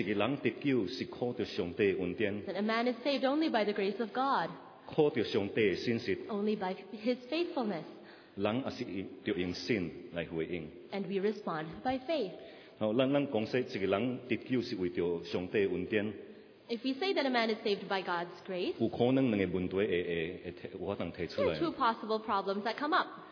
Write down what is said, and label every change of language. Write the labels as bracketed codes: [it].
[nan] 一个人得救是靠着上帝恩典。 [en] That a man is saved only by the grace of God. [nan] 靠着上帝的信实。 [en] Only by His faithfulness. [nan] 人也是要用信来回应。 [en] And we respond by faith. [nan] 好，咱讲说一个人得救是为着上帝恩典。 [en] If we say that a man is saved by God's grace, there are two possible problems that come up.